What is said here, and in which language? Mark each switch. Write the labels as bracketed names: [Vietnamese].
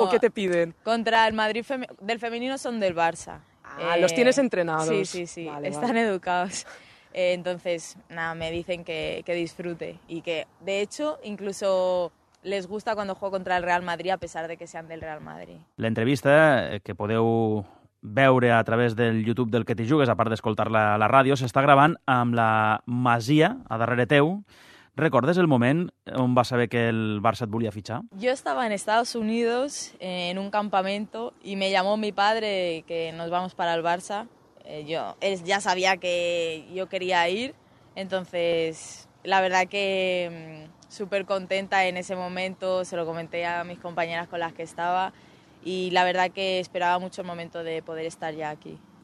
[Spanish] ¿O qué te piden? Contra el Madrid del femenino son del Barça. Ah, los tienes entrenados. Sí, sí, sí. Vale, están educados. Entonces, nada, me dicen que disfrute. Y que, de hecho, incluso les gusta cuando juego contra el Real Madrid, a pesar de que sean del Real Madrid. [Catalan] La entrevista que podeu veure a través del YouTube del que t'hi jugues, a part d'escoltar-la a la ràdio, s'està gravant amb la Masia a darrere teu. ¿Recordes el moment on vas saber que el Barça et volia fitxar? [Spanish] Yo estaba en Estados Unidos, en un campamento, y me llamó mi padre que nos vamos para el Barça. Él ya sabía que yo quería ir, entonces la verdad que súper contenta en ese momento, se lo comenté a mis compañeras con las que estaba y la verdad que esperaba mucho el momento de poder estar ya aquí.